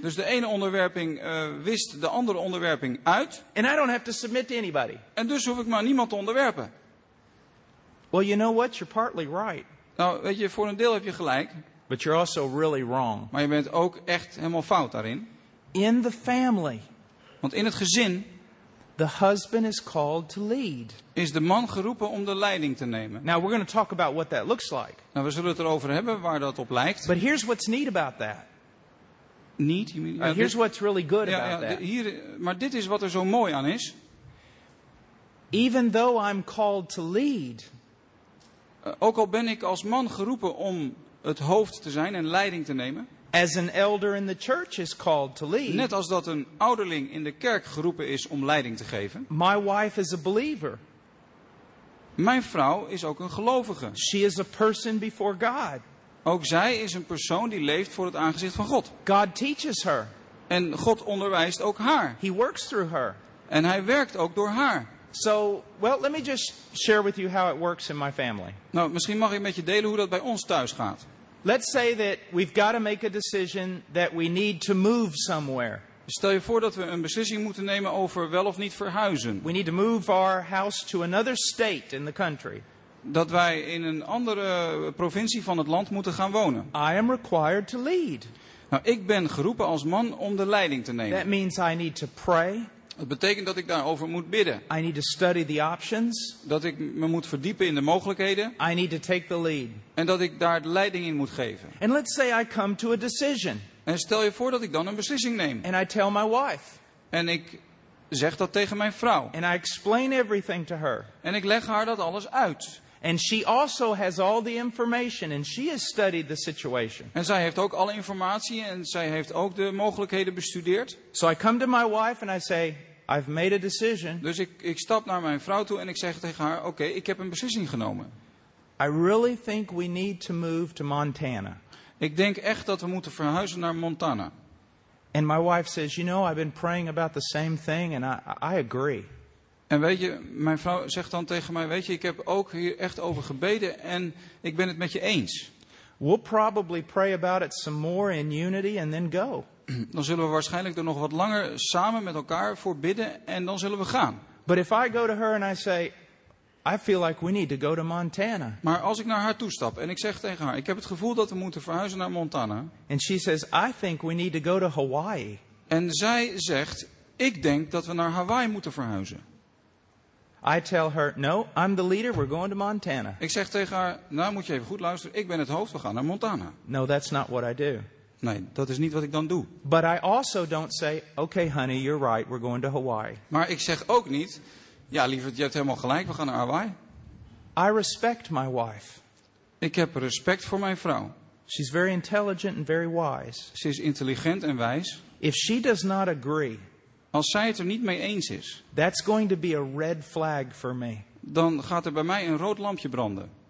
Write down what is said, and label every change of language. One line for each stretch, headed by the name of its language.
Dutch: Dus de ene onderwerping wist de andere onderwerping uit.
English: And I don't have to submit to anybody.
Dutch: En dus hoef ik maar niemand te onderwerpen.
English: Well, you know what? You're partly right.
Dutch: Nou, weet je, voor een deel heb je gelijk.
English: But you're also really wrong.
Dutch: Maar je bent ook echt helemaal fout daarin.
English: In the family.
Dutch: Want in het gezin.
English: The husband is called to lead.
Dutch: Is de man geroepen om de leiding te nemen.
English: Now we're going to talk about what that looks like.
Dutch: Nou, we zullen het erover hebben waar dat op lijkt.
English: But here's what's neat about that. Neat? You mean, here's what's really good about that.
Dutch: Hier, maar dit is wat er zo mooi aan is.
English: Even though I'm called to lead.
Dutch: Ook al ben ik als man geroepen om het hoofd te zijn en leiding te nemen.
English: As an elder in the church is called to lead.
Dutch: Net als dat een ouderling in de kerk geroepen is om leiding te geven.
English: My wife is a believer.
Dutch: Mijn vrouw is ook een gelovige.
English: She is a person before God.
Dutch: Ook zij is een persoon die leeft voor het aangezicht van God.
English: God teaches her.
Dutch: En God onderwijst ook haar.
English: He works through her.
Dutch: En hij werkt ook door haar.
English: So, well, let me just share with you how it works in my family.
Dutch: Nou, misschien mag ik met je delen hoe dat bij ons thuis gaat.
English: Let's say that we've got to make a decision that we need to move somewhere.
Dutch: Stel je voor dat we een beslissing moeten nemen over wel of niet verhuizen.
English: We need to move our house to another state in the country.
Dutch: Dat wij in een andere provincie van het land moeten gaan wonen.
English: I am required to lead.
Dutch: Nou, ik ben geroepen als man om de leiding te nemen.
English: That means I need to pray.
Dutch: Dat betekent dat ik daarover moet bidden.
English: I need to study the options.
Dutch: Dat ik me moet verdiepen in de mogelijkheden.
English: I need to take the lead.
Dutch: En dat ik daar de leiding in moet geven.
English: And let's say I come to a decision.
Dutch: En stel je voor dat ik dan een beslissing neem.
English: And I tell my wife.
Dutch: En ik zeg dat tegen mijn vrouw.
English: And I explain everything to her.
Dutch: En ik leg haar dat alles uit.
English: And she also has all the information and she has studied the situation.
Dutch: En zij heeft ook alle informatie en zij heeft ook de mogelijkheden bestudeerd.
English: So I come to my wife and I say, I've made a decision.
Dutch: Dus ik stap naar mijn vrouw toe en ik zeg tegen haar, oké, ik heb een beslissing genomen.
English: I really think we need to move to Montana.
Dutch: Ik denk echt dat we moeten verhuizen naar Montana.
English: And my wife says, you know, I've been praying about the same thing and I agree.
Dutch: En weet je, mijn vrouw zegt dan tegen mij, weet je, ik heb ook hier echt over gebeden en ik ben het met je eens.
English: We'll probably pray about it some more in unity and then go.
Dutch: Dan zullen we waarschijnlijk er nog wat langer samen met elkaar voor bidden en dan zullen we gaan.
English: But if I go to her and I say, I feel like we need to go to Montana.
Dutch: Maar als ik naar haar toe stap en ik zeg tegen haar, ik heb het gevoel dat we moeten verhuizen naar Montana.
English: And she says, I think we need to go to Hawaii.
Dutch: En zij zegt, ik denk dat we naar Hawaii moeten verhuizen.
English: I tell her, no, I'm the leader, we're going to Montana.
Dutch: Ik zeg tegen haar, nou moet je even goed luisteren, ik ben het hoofd, we gaan naar Montana.
English: No, that's not what I do.
Dutch: Nee, dat is niet wat ik dan doe.
English: But I also don't say, okay honey, you're right, we're going to Hawaii.
Dutch: Maar ik zeg ook niet, ja lieverd, je hebt helemaal gelijk, we gaan naar Hawaii.
English: I respect my wife.
Dutch: Ik heb respect voor mijn vrouw.
English: She's very intelligent and very wise.
Dutch: Ze is intelligent en wijs.
English: If she does not agree.
Dutch: Als zij het er niet mee eens is.
English: That's going to be a red flag for me.
Dutch: Dan gaat er bij mij een rood lampje branden.